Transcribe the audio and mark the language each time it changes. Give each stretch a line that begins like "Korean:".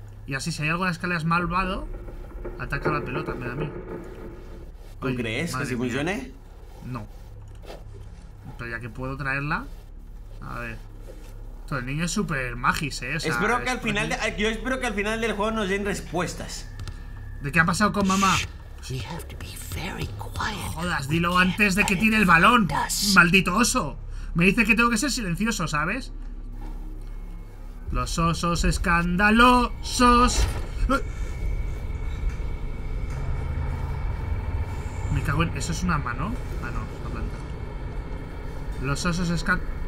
Spanish: Y así, si hay algo en las escaleras malvado, ataca la pelota, me da a mí. ¿Tú crees que si funcione? No. Pero ya que puedo traerla. A ver. Esto, el niño es súper magis, ¿eh? O sea, espero que al final de, yo espero que al final del juego nos den respuestas. ¿De qué ha pasado con mamá?
English: Shh, we have to be very quiet.
Spanish: Jodas, dilo antes de que tire el balón. Maldito oso. Me dice que tengo que ser silencioso, ¿sabes? Los osos escandalosos. Me cago en... ¿Eso es una mano? Ah, no, es una planta. Los osos escandalosos.